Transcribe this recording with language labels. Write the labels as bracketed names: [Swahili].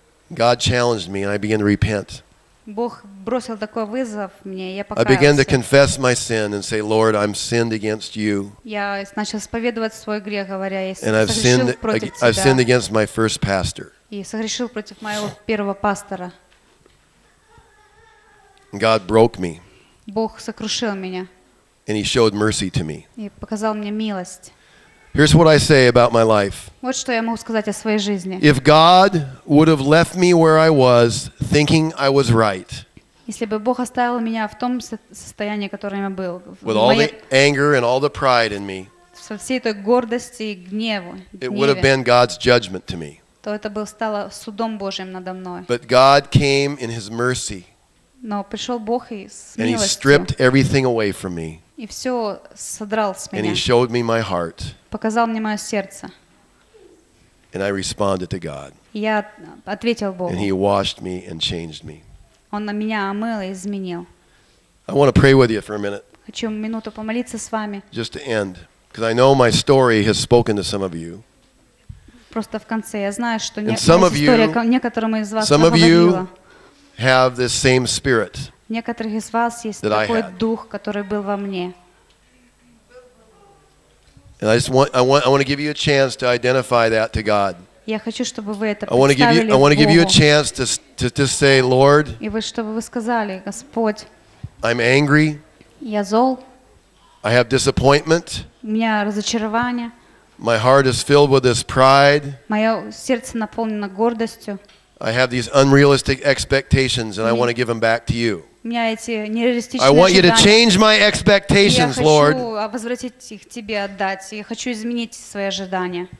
[English] God challenged me, and I began to repent. [Russian] Бог бросил такой вызов мне, я покаялся. [English] I began to confess my sin and say, "Lord, I've sinned against you." [Russian] Я начал исповедовать свой грех, говоря, я согрешил против тебя. [English] I've sinned against my first pastor. [Russian] И согрешил против моего первого пастора. [English] God broke me. [Russian] Бог сокрушил меня. [English] And he showed mercy to me. [Russian] И показал мне милость. [English] Here's what I say about my life. [Russian] Вот что я могу сказать о своей жизни. [English] If God would have left me where I was, thinking I was right. [Russian] Если бы Бог оставил меня в том состоянии, которое я был. [English] With all the anger and all the pride in me. [Russian] Со всей той гордостью и гневом. [English] It would have been God's judgment to me. [Russian] То это было стало судом Божьим надо мной. [English] But God came in his mercy. [Russian] Но пришел Бог и с милостью. [English] And he stripped everything away from me. [Russian] И все содрал с меня. [English] And he showed me my heart. [Russian] Показал мне мое сердце. [English] And I responded to God. [Russian] Я ответил Богу. [English] And he washed me and changed me. [Russian] Он на меня омыл и изменил. [English] I want to pray with you for a minute. [Russian] Хочу минуту помолиться с вами. [English] Just to end. Because I know my story has spoken to some of you. [Russian] Просто в конце я знаю, что история некоторым из вас говорила. [English] Some of you have this same spirit. [Russian] Некоторых из вас есть такой дух, который был во мне. [English] And I want to give you a chance to identify that to God. [Russian] Я хочу, чтобы вы это представили Богу. [English] I want to give you a chance to say, Lord. [Russian] И вы чтобы вы сказали, Господь. [English] I'm angry. [Russian] Я зол. [English] I have disappointment. [Russian] У меня разочарование. [English] My heart is filled with this pride. [Russian] Мое сердце наполнено гордостью. [English] I have these unrealistic expectations, and I want to give them back to you. [Russian] У меня эти нереалистичные ожидания. [English] I want you to change my expectations, Lord. [Russian] Я хочу возвратить их тебе, отдать. Я хочу изменить свои ожидания.